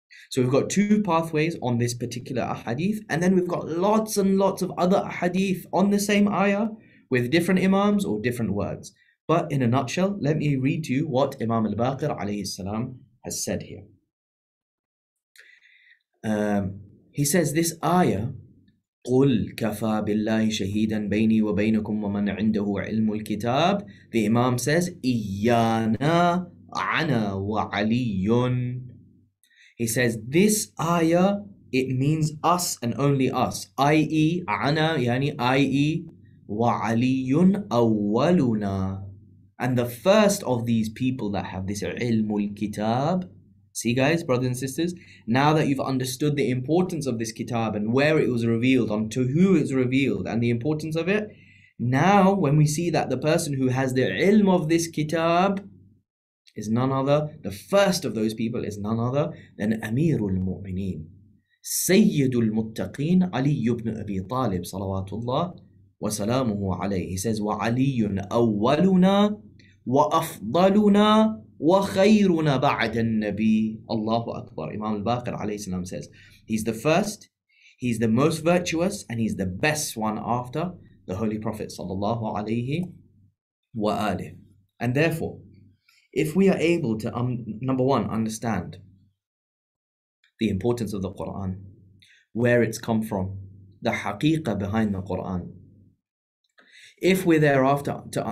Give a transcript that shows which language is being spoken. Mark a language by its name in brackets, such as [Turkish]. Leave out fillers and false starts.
[English] So we've got two pathways on this particular ahadith, and then we've got lots and lots of other ahadith on the same ayah with different imams or different words. But in a nutshell, let me read to you what Imam al-Baqir alayhi salam has said here. He says this ayah, [Arabic] قُلْ كَفَى بِاللَّهِ شَهِيدًا بَيْنِي وَبَيْنَكُمْ وَمَنْ عِنْدَهُ عِلْمُ الْكِتَابِ. [English] The imam says, [Arabic] إِيَّانَا عَنَا وَعَلِيٌّ. [English] He says, this ayah, it means us and only us, i.e. [Arabic] ana, yani i.e. wa aliyun awwaluna. [English] And the first of these people that have this ilmul kitab. See guys, brothers and sisters, now that you've understood the importance of this kitab and where it was revealed, onto who it was revealed and the importance of it, now when we see that the person who has the ilm of this kitab is none other, the first of those people is none other than Amirul Mu'mineen, Sayyidul Muttaqeen, Ali ibn Abi Talib, salawatullah wa salamuhu alayhi. He says, [Arabic] wa aliyun awwaluna wa afdaluna وَخَيْرُنَا بَعْدَ النَّبِيِّ Allahu Akbar. [English] Imam al-Baqir alayhi salam says, he's the first, he's the most virtuous, and he's the best one after the Holy Prophet sallallahu alayhi wa alihi. And therefore, if we are able to, number one, understand the importance of the Qur'an, where it's come from, the haqiqah behind the Qur'an, if we're thereafter,